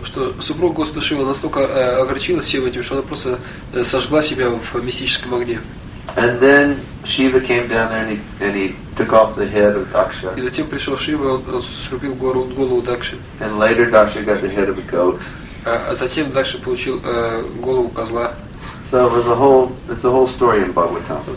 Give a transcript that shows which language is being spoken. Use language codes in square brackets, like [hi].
[ru] Что супруг Господа Шива настолько огорчилась всем этим, что она просто сожгла себя в мистическом огне. [en] And then Shiva came down there and he took off the head of Daksha. [ru] И затем пришел Шива, он срубил голову Дакши. [en] And later Daksha got the head of a goat. [ru] А затем Дакша получил голову козла. [en] So it was it's a whole story in Bhagavatam.